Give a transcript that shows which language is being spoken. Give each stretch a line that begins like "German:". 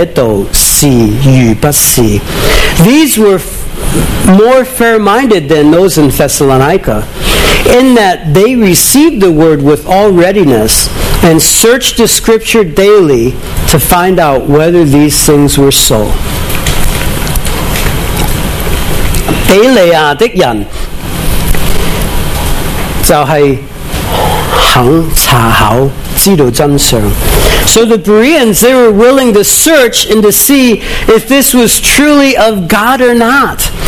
Chinese: 这地方的人，因于帖撒罗尼迦的人，甘心领受这道，天天查考圣经，要晓得这道是与不是。
English: These were more fair-minded than those in Thessalonica, in that they received the word with all readiness and searched the scripture daily to find out whether these things were so.
Chinese: 比利亚的人就是肯查考，知道真相。
English: So the Bereans, they were willing to search and to see if this was truly of God or not.